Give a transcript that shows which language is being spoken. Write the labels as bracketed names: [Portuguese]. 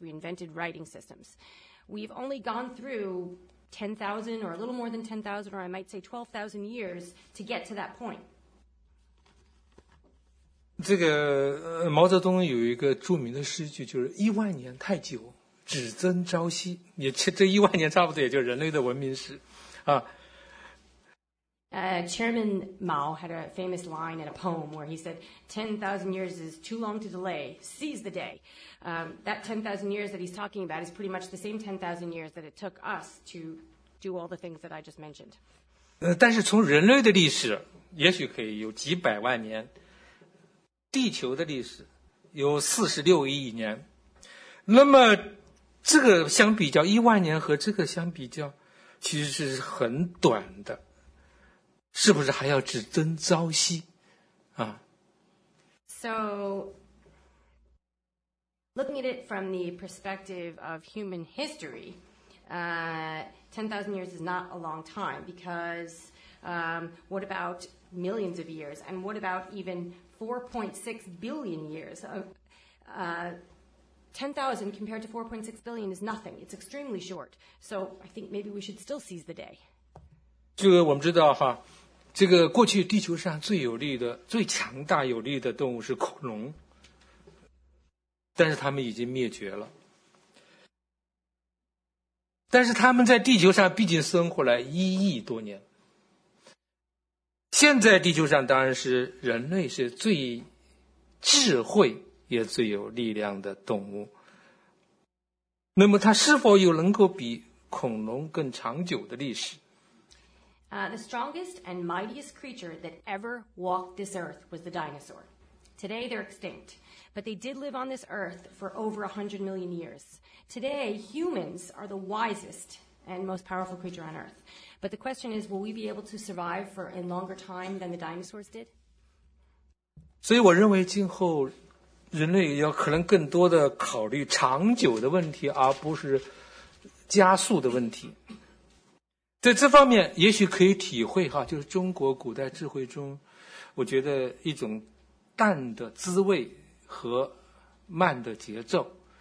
[English] We invented writing systems. We've only gone through 10,000 or a little more than 10,000, or I might say 12,000 years to get to that point. [Chinese] 这个毛泽东有一个著名的诗句，就是一万年太久，只争朝夕，也这一万年差不多也就是人类的文明史啊。 [English] Chairman Mao had a famous line in a poem where he said, 10,000 years is too long to delay, seize the day. That 10,000 years that he's talking about is pretty much the same 10,000 years that it took us to do all the things that I just mentioned. [Chinese] 但是从人类的历史也许可以有几百万年，地球的历史有46亿年，那么这个相比较，一万年和这个相比较其实是很短的，是不是还要只争朝夕啊？ [English] So looking at it from the perspective of human history, 10,000 years is not a long time, because what about millions of years, and what about even 4.6 billion years? 10,000 compared to 4.6 billion is nothing. It's extremely short. So I think maybe we should still seize the day. [Chinese] 这个我们知道哈，这个过去地球上最有力的、最强大有力的动物是恐龙，但是它们已经灭绝了。但是它们在地球上毕竟生活了1亿多年。现在地球上当然是人类是最智慧也最有力量的动物，那么它是否有能够比恐龙更长久的历史？ [English] The strongest and mightiest creature that ever walked this earth was the dinosaur. Today they're extinct, but they did live on this earth for over 100 million years. Today humans are the wisest and most powerful creature on earth. But the question is, will we be able to survive for a longer time than the dinosaurs did? [Chinese] 所以我认为今后人类要可能更多的考虑长久的问题，而不是加速的问题。在这方面也许可以体会哈，就是中国古代智慧中我觉得一种淡的滋味和慢的节奏。